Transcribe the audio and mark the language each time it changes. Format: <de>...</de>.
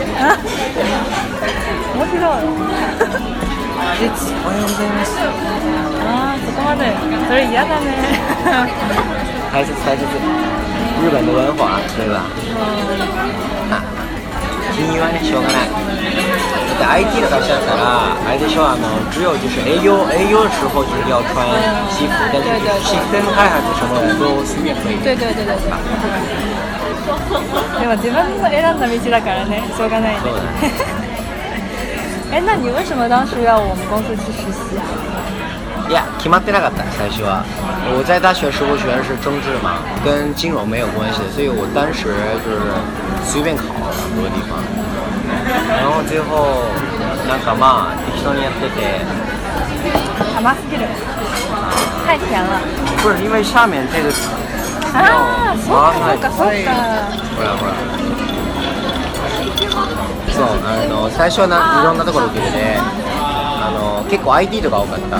<ja>面白い。おはようございます。あ、そこまで。それ嫌だね。大切大切、日本の文化</ja> <zh>对吧。</zh> <ja>金融はね、しょうがない。</ja> <zh>IT 的</zh> <ja>会社から、あれでしょ、あの、</ja> <zh>只有就是営業的时候就是要穿西服、但是システム開発什么的都随便可以。对对对对。</zh> <ja>でも自分の選んだ道だからね、しょうがないね。そうだね。</ja> <zh>え、那你为什么当时要我们公司去实习？</zh> <ja>いや、決まってなかった、最初は。</ja> <zh>我在大学时候学的是政治嘛，跟金融没有关系，所以我当时就是随便考了很多地方。然后最后</zh> <ja>なんかまあ適当にやってて甘すぎる、</ja> <zh>太甜了。不是因为下面这个</zh> <ja>啊，そうかそうかそうか。ほらほら。そう、あの最初はいろんなところ受けて、あの結構 IT とか多かった。</ja>